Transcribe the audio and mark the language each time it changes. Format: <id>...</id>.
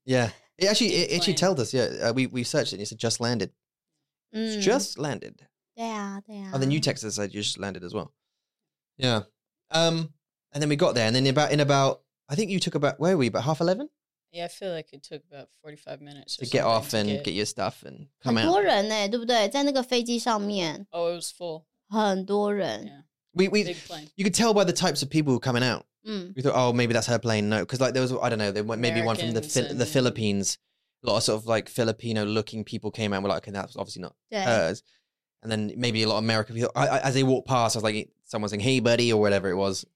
<en>Yeah. It actually told us. Yeah, we searched it. And it said just landed. It's just landed. Yeah. Oh, the new text said you just landed as well. Yeah. And then we got there, and then about I think you took about, where were we, about 11:30? Yeah, I feel like it took about 45 minutes to get off and get your stuff and come out.</en> <zh>很多人耶，对不对？在那个飞机上面。</zh> <en>Oh, it was full.</en> <zh>很多人.</zh> <en>Yeah. We big plane. You could tell by the types of people coming out. Mm. We thought, oh, maybe that's her plane. No, because like there was, I don't know, there went maybe Americans one from the Philippines. A lot of sort of like Filipino looking people came out and were like, okay, that's obviously not hers. And then maybe a lot of American people, as they walked past, I was like, someone saying, hey, buddy, or whatever it was.</en>